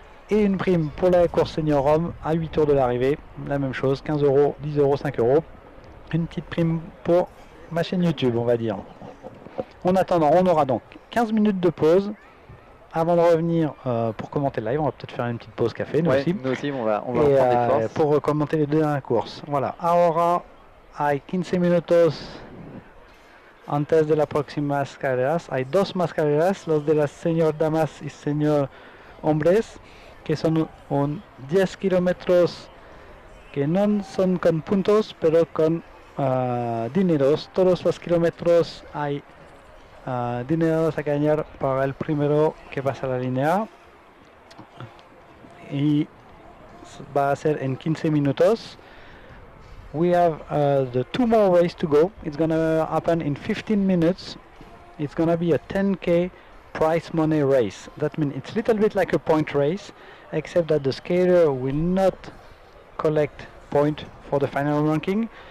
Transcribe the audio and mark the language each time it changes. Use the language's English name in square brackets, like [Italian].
[French] Et une prime pour la course senior homme à 8 tours de l'arrivée. La même chose, 15 euros, 10 euros, 5 euros. Une petite prime pour ma chaîne YouTube, on va dire. En attendant, on aura donc 15 minutes de pause. Avant de revenir pour commenter le live, on va peut-être faire une petite pause café, nous aussi. Nous aussi, on va prendre des forces. Pour commenter les deux dernières courses. [Spanish] Voilà, ahora hay 15 minutos antes de la próxima carrera. Hay dos más carreras, los de las señor damas y señor hombres, que son un 10 kilómetros que no son con puntos, pero con dineros. Todos los kilómetros hay dinero a ganar para el primero que pasa la línea y va a ser en 15 minutos. [English] We have the two more races to go. It's gonna happen in 15 minutes. It's gonna be a 10k prize money race. That means it's a little bit like a point race, except that the skater will not collect point for the final ranking.